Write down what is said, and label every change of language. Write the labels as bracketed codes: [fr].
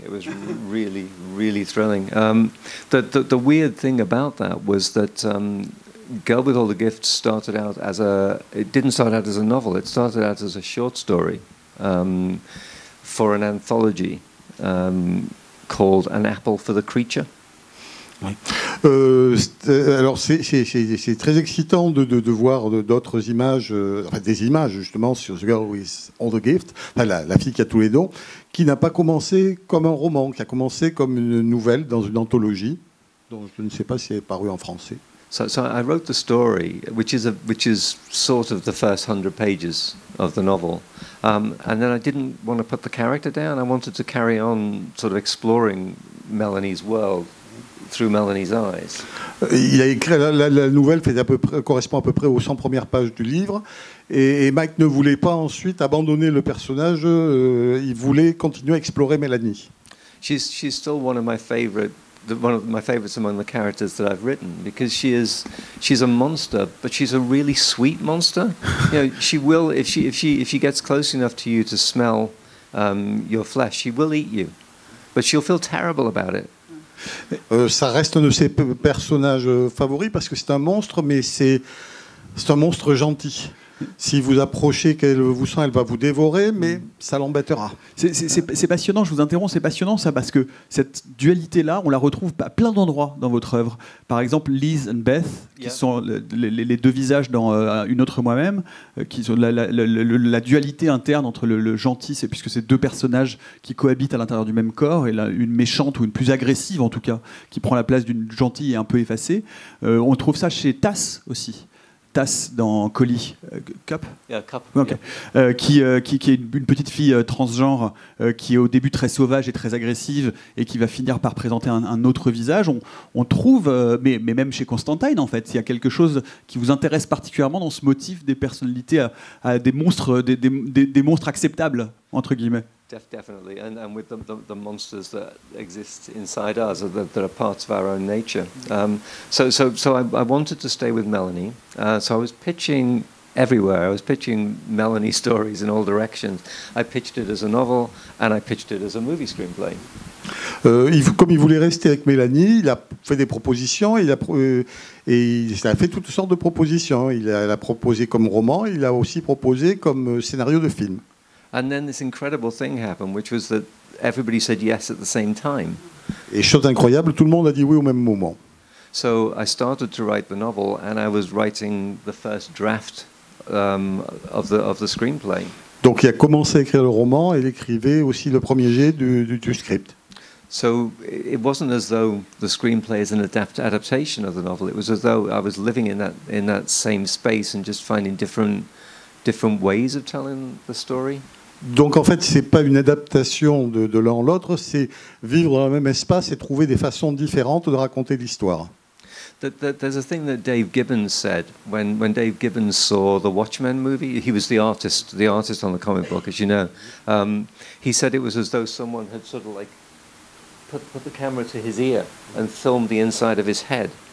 [en] It was really, really thrilling. The weird thing about that was that Girl with All the Gifts started out as it didn't start out as a novel, it started out as a short story for an anthology called An Apple for the Creature. [fr] Oui. Alors c'est très excitant de voir d'autres images, enfin des images justement sur The Girl with All the Gifts, enfin la fille qui a tous les dons, qui n'a pas commencé comme un roman, qui a commencé comme une nouvelle dans une anthologie, dont je ne sais pas si elle est parue en français. [en] So I wrote the story, which is sort of the first 100 pages of the novel, and then I didn't want to put the character down. I wanted to carry on sort of exploring Melanie's world through Melanie's eyes. [fr] Il a écrit la nouvelle fait à peu près, correspond à peu près aux 100 premières pages du livre, et Mike ne voulait pas ensuite abandonner le personnage. Il voulait continuer à explorer Melanie. [en] She's still one of my favorite. One of my favorites among the characters that I've written, because she's a monster, but she's a really sweet monster. You know, she will, if she gets close enough to you to smell your flesh, she will eat you, but she'll feel terrible about it. [fr] Ça reste un de ses personnages favoris parce que c'est un monstre, mais c'est un monstre gentil. Si vous approchez qu'elle vous sent, elle va vous dévorer, mais ça l'embêtera. C'est passionnant, je vous interromps, c'est passionnant ça, parce que cette dualité-là, on la retrouve à plein d'endroits dans votre œuvre. Par exemple, Liz and Beth, qui sont les deux visages dans Une autre moi-même, qui sont la dualité interne entre le gentil, c'est puisque c'est deux personnages qui cohabitent à l'intérieur du même corps, et là, une méchante ou une plus agressive en tout cas, qui prend la place d'une gentille et un peu effacée. On trouve ça chez Tass aussi. Tass dans Collie, Cup, qui est une petite fille transgenre qui est au début très sauvage et très agressive et qui va finir par présenter un autre visage. On trouve, mais même chez Constantine en fait, il y a quelque chose qui vous intéresse particulièrement dans ce motif des personnalités à des monstres acceptables entre guillemets. [en] Definitely, and with the monsters that exist inside us, that are parts of our own nature. So I wanted to stay with Melanie. So I was pitching everywhere. I was pitching Melanie stories in all directions. I pitched it as a novel, and I pitched it as a movie screenplay. [fr] Comme il voulait rester avec Mélanie, il a fait des propositions, il a fait toutes sortes de propositions. Il a proposé comme roman, il a aussi proposé comme scénario de film. [en] And then this incredible thing happened, which was that everybody said yes at the same time. [fr] Et chose incroyable, tout le monde a dit oui au même moment. [en] So I started to write the novel, and I was writing the first draft of the screenplay. [fr] Donc il a commencé à écrire le roman, et il écrivait aussi le premier jet du script. [en] So it wasn't as though the screenplay is an adaptation of the novel. It was as though I was living in that same space and just finding different ways of telling the story. [fr] Donc en fait, c'est pas une adaptation de l'un à l'autre, c'est vivre dans le même espace et trouver des façons différentes de raconter l'histoire. [en] There's a thing that Dave Gibbons said when Dave Gibbons saw the Watchmen movie. He was the artist on the comic book, as you know. He said it was as though someone had sort of like put the camera to his ear and filmed the inside of his head.